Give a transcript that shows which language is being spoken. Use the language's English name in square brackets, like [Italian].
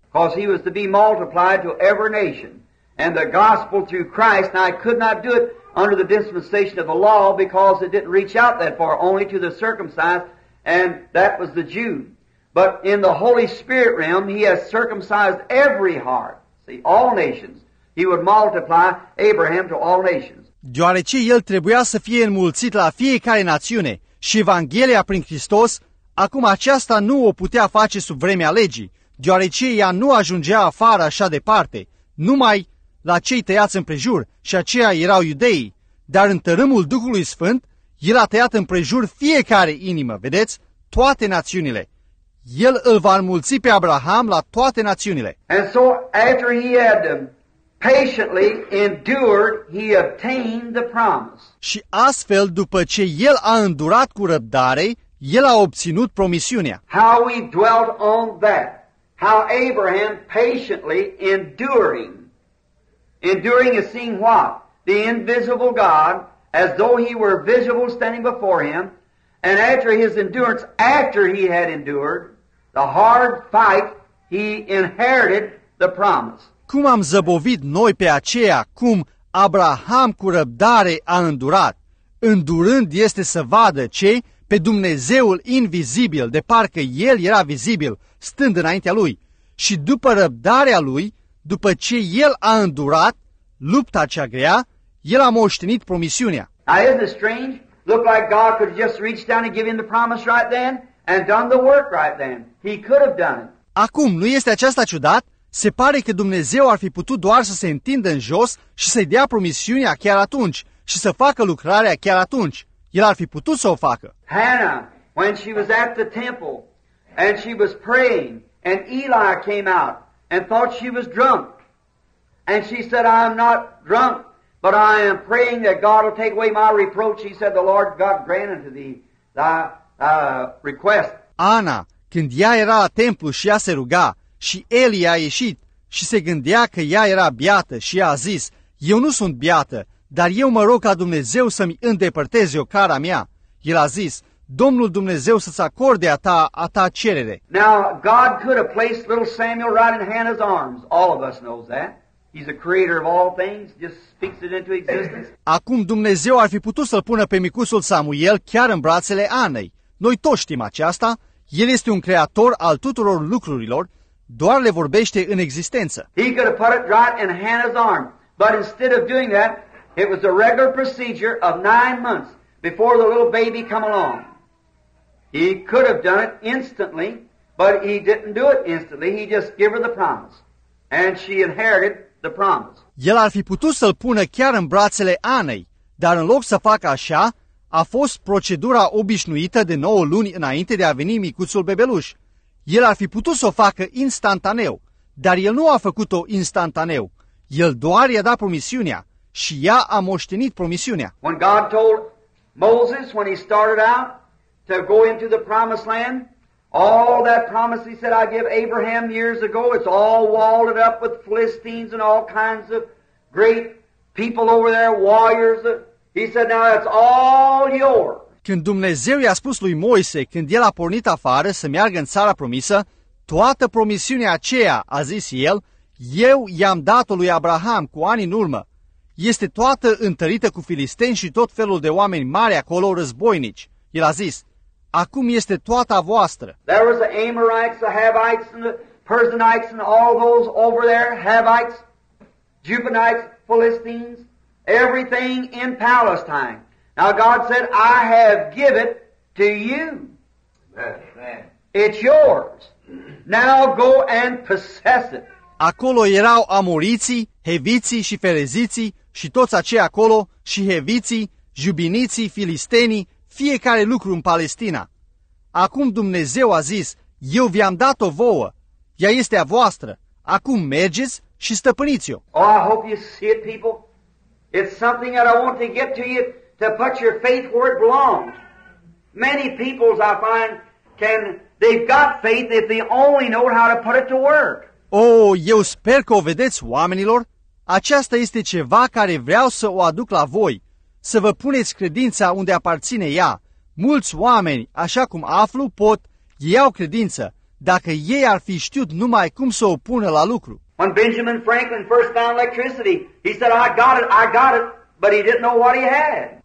[English] Because he was to be multiplied to every nation. And the gospel through Christ, now I could not do it under the dispensation of the law because it didn't reach out that far, only to the circumcised, and that was the Jew. But in the Holy Spirit realm, he has circumcised every heart, see, all nations. He would multiply Abraham to all nations. [Romanian] Deoarece el trebuia să fie înmulțit la fiecare națiune și Evanghelia prin Hristos, acum aceasta nu o putea face sub vremea legii, deoarece ea nu ajungea afară așa departe, numai la cei tăiați împrejur și aceia erau iudeii, dar în tărâmul Duhului Sfânt, el a tăiat împrejur fiecare inimă, vedeți, toate națiunile. El îl va înmulți pe Abraham la toate națiunile. [English] And so after he had patiently endured, he obtained the promise. [Romanian] Și astfel, după ce el a îndurat cu răbdare, el a obținut promisiunea. [English] How we dwelt on that. How Abraham patiently enduring. Enduring is seeing what? The invisible God, as though he were visible standing before him, and after his endurance, after he had endured the hard fight, he inherited the promise. [Romanian] Cum am zăbovit noi pe aceea, cum Abraham cu răbdare a îndurat, îndurând este să vadă ce? Pe Dumnezeul invizibil, de parcă el era vizibil, stând înaintea lui, și după răbdarea lui, după ce el a îndurat lupta cea grea, el a moștenit promisiunea. [English] Now, isn't it strange? Looked like God could have just reached down and given the promise right then and done the work right then. He could have done it. [Romanian] Acum, nu este aceasta ciudat? Se pare că Dumnezeu ar fi putut doar să se întindă în jos și să-i dea promisiunea chiar atunci și să facă lucrarea chiar atunci. El ar fi putut să o facă. [English] Hannah, when she was at the temple and she was praying and Eli came out and thought she was drunk. And she said, I am not drunk, but I am praying that God will take away my reproach. He said, the Lord God grant unto thee thy request. [Romanian] Ana, când ea era la templu și ea se ruga și Eli a ieșit și se gândea că ea era biată și ea a zis, eu nu sunt biată, dar eu mă rog ca Dumnezeu să-mi îndepărteze ocara mea. El a zis, Domnul Dumnezeu să-ți acorde a ta cerere. [English] Now God could have placed little Samuel right in Hannah's arms. All of us knows that. He's the creator of all things, just speaks it into existence. [Romanian] Acum Dumnezeu ar fi putut să-l pună pe micuțul Samuel chiar în brațele Anei. Noi toți știm aceasta. El este un creator al tuturor lucrurilor, doar le vorbește în existență. [English] He could have put it right in Hannah's arm, but instead of doing that, it was a regular procedure of 9 months before the little baby come along. He could have done it instantly, but he didn't do it instantly. He just gave her the promise, and she inherited the promise. [Romanian] El ar fi putut să-l pună chiar în brațele Anei, dar în loc să facă așa, a fost procedura obișnuită de 9 luni înainte de a veni micuțul bebeluș. El ar fi putut să o facă instantaneu, dar el nu a făcut-o instantaneu. El doar i-a dat promisiunea și ea a moștenit promisiunea. [English] When God told Moses when he started out to go into the promised land, all that promise he said I give Abraham years ago, it's all walled up with Philistines and all kinds of great people over there, warriors. He said, now it's all yours. [Romanian] Când Dumnezeu i-a spus lui Moise, când el a pornit afară să meargă în țara promisă, toată promisiunea aceea, a zis el, eu i-am dat-o lui Abraham cu ani în urmă. Este toată întărită cu filisteni și tot felul de oameni mari acolo, războinici. El a zis, acum este toată voastră. [English] There was the Amorites, the Havites, and the Persianites, and all those over there, Havites, Jebusites, Philistines. Everything in Palestine. Now God said, I have given it to you. It's yours. Now go and possess it. [Romanian] Acolo erau amoriții, heviții și fereziții și toți aceia acolo și heviții, jubiniții, filistenii, fiecare lucru în Palestina. Acum Dumnezeu a zis, eu vi-am dat-o vouă, ea este a voastră. Acum mergeți și stăpâniți-o. [English] Oh, I hope you see it, people. It's something that I want to get to you to put your faith where it belongs. Many peoples I find can they've got faith if they only know how to put it to work. [Romanian] Oh, eu sper că o vedeți, oamenilor. Aceasta este ceva care vreau să o aduc la voi, să vă puneți credința unde aparține ea. Mulți oameni, așa cum aflu, pot, ei au credință, dacă ei ar fi știut numai cum să o pună la lucru. [English] When Benjamin Franklin first found electricity, he said, I got it, but he didn't know what he had.